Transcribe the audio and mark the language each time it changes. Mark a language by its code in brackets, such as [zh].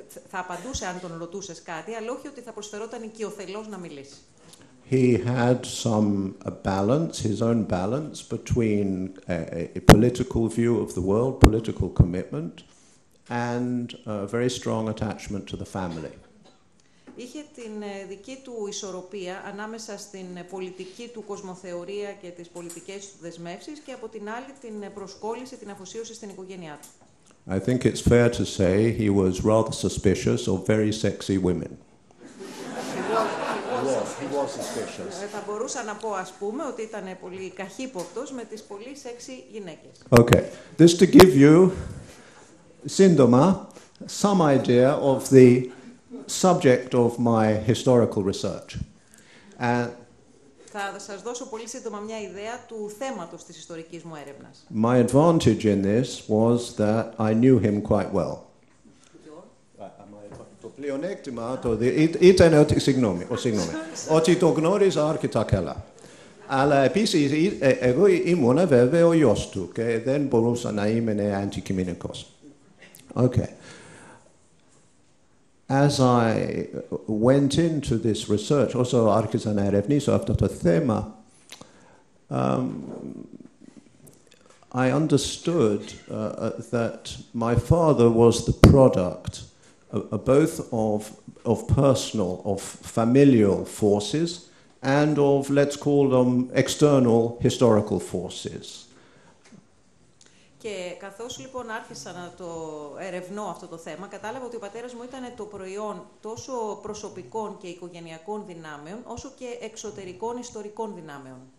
[el] Θα απαντούσε αν τον ρωτούσες κάτι, αλλά όχι ότι θα προσφερόταν οικειοθελώς να μιλήσει. [en] He had some balance, his own balance, between a political view of the world, political commitment, and a very strong attachment to the family. [el] Είχε την δική του ισορροπία ανάμεσα στην πολιτική του κοσμοθεωρία και τις πολιτικές του δεσμεύσεις και από την άλλη την προσκόλληση, την αφοσίωση στην οικογένειά του. [en] I think it's fair to say he was rather suspicious of very sexy women. He was suspicious. [el] Θα μπορούσα να πω, ας πούμε, ότι ήταν πολύ καχύποπτος με τις πολύ sexy γυναίκες. [en] Okay. This to give you, [el] σύντομα, [en] some idea of the subject of my historical research. [el] Θα σας δώσω πολύ σύντομα μια ιδέα του θέματος της ιστορικής μου έρευνας. [en] My advantage in this was that I knew him quite well. [el] Το πλεονέκτημα ήταν ότι, συγγνώμη, ότι το γνώριζα αρκετά καλά. Αλλά επίσης, εγώ ήμουν βέβαια ο γιος του και δεν μπορούσα να είμαι αντικειμενικός. Okay. [en] As I went into this research, also [el] άρχισα να ερευνήσω αυτό το θέμα, [en] I understood that my father was the product both of personal, of familial forces, and of, let's call them, external historical forces. [el] Και καθώς λοιπόν άρχισα να το ερευνώ αυτό το θέμα, κατάλαβα ότι ο πατέρας μου ήταν το προϊόν τόσο προσωπικών και οικογενειακών δυνάμεων, όσο και εξωτερικών ιστορικών δυνάμεων.